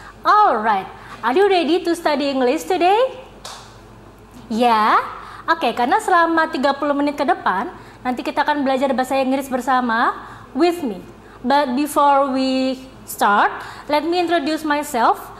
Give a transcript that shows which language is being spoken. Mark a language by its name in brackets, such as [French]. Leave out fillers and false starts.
[English] Alright, are you ready to study English today? Yeah? [Indonesian] Okay, karena selama 30 menit ke depan, nanti kita akan belajar bahasa Inggris bersama [English] with me. But before we start, let me introduce myself.